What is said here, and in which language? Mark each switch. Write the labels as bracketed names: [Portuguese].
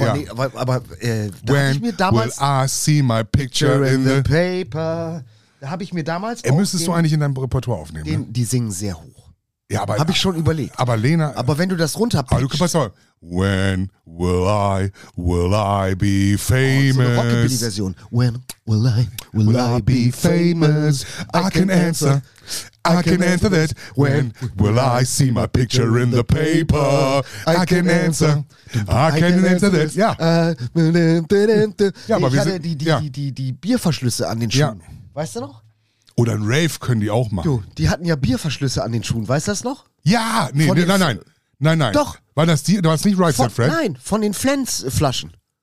[English] When will I see my picture in the paper? [German] Da habe ich mir damals. Müsstest du eigentlich in deinem Repertoire aufnehmen? Die singen sehr hoch. Ja, aber. Habe ich schon überlegt. Aber Lena. Aber wenn du das runterpackst. Du kannst mal. [English] When will I be famous? [German] Oh, so eine Rockabilly-Version. [English] When will I be famous? I can answer that. When will I see my picture in the paper? I can answer that. Ja. [German] Ja, aber ich hatte die Bierverschlüsse an den Schuhen. Ja. Weißt du noch? Oder ein Rave können die auch machen. Du, die hatten ja Bierverschlüsse an den Schuhen. Weißt du das noch? Ja, nein. Doch. War das nicht Right Said Fred? Nein, von den Flens-Flaschen.